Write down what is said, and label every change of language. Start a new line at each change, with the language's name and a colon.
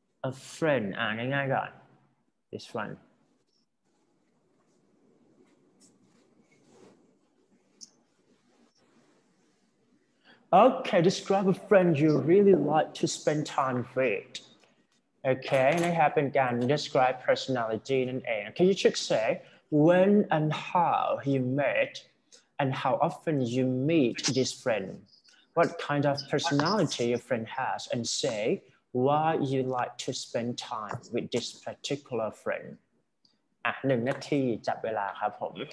English: a friend
Thai: อ่านง่ายๆก่อน
English: this one okay describe a friend you really like to spend time with
Thai: โอเคนะครับเป็นการ
English: describe personality นั่นเอง Can you just say when and how you met and how often you meet this friend? What kind of personality your friend has and say why you like to spend time with this particular friend?
Thai: อ่ะ1นาทีจับเวลาครับผม